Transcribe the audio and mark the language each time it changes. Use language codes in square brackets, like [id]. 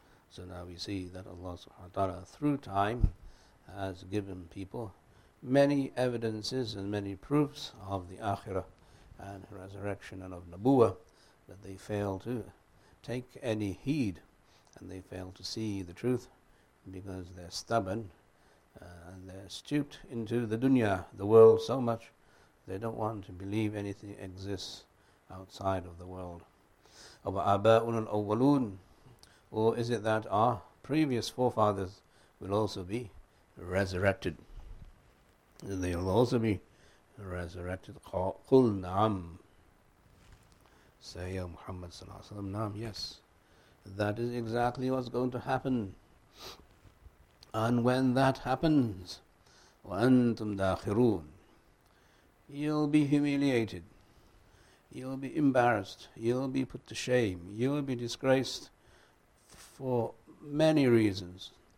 [en] So now we see that Allah subhanahu wa ta'ala, through time, has given people many evidences and many proofs of the Akhirah and resurrection and of Nabuwa, but they fail to take any heed and they fail to see the truth because they're stubborn and they're stooped into the dunya, the world, so much they don't want to believe anything exists outside of the world. [ar] وَأَبَاءُنَا الْأَوَّلُونَ. [en] Or is it that our previous forefathers will also be resurrected? They will also be resurrected. [ar] قُلْ نَعَمْ. [en] Say, O Muhammad صلى الله عليه وسلم, نَعَمْ. Yes, that is exactly what's going to happen. And when that happens, [ar] وَأَنْتُمْ دَاخِرُونَ, [en] you'll be humiliated, you'll be embarrassed, you'll be put to shame, you'll be disgraced, for many reasons.